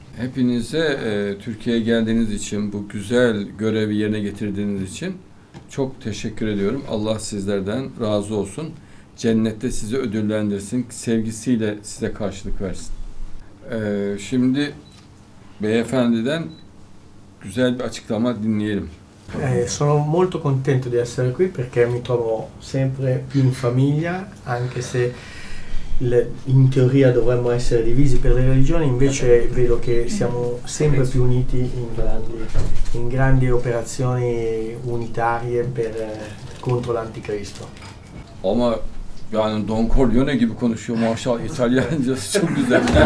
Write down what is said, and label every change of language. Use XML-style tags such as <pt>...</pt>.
<tr>Hepinize Türkiye'ye geldiğiniz için, bu güzel görevi yerine getirdiğiniz için çok teşekkür ediyorum. Allah sizlerden razı olsun. Cennette sizi ödüllendirsin. Sevgisiyle size karşılık versin. Şimdi beyefendiden güzel bir açıklama dinleyelim.</tr> <it>Sono molto contento di essere qui perché mi trovo sempre più in famiglia, anche se in teoria dovremmo essere divisi per le religioni, invece vedo che siamo sempre più uniti in grandi operazioni unitarie contro l'anticristo.</it> <tr>Ama yani Don Corleone gibi konuşuyor maşallah, İtalyancası çok güzel.</tr>